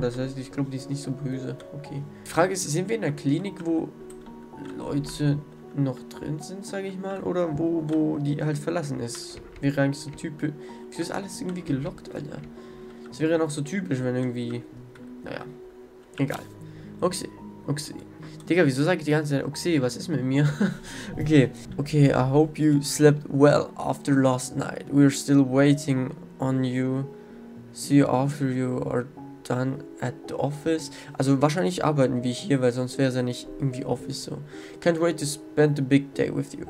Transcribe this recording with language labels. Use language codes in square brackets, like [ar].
[de] Das heißt, ich glaube, die ist nicht so böse. Okay. Die Frage ist, sind wir in einer Klinik, wo Leute noch drin sind, sage ich mal? Oder wo die halt verlassen ist? Wäre eigentlich so typisch. Wieso ist alles irgendwie gelockt, Alter? Das wäre ja noch so typisch, wenn irgendwie. Naja. Egal. Oxy. Digga, wieso sage ich die ganze Zeit Oxy? Was ist mit mir? Okay. [en] Okay, I hope you slept well after last night. We're still waiting on you. See you after you are done at the office. [de] Also, wahrscheinlich arbeiten wir hier, weil sonst wäre es ja nicht irgendwie Office so. [en] Can't wait to spend the big day with you.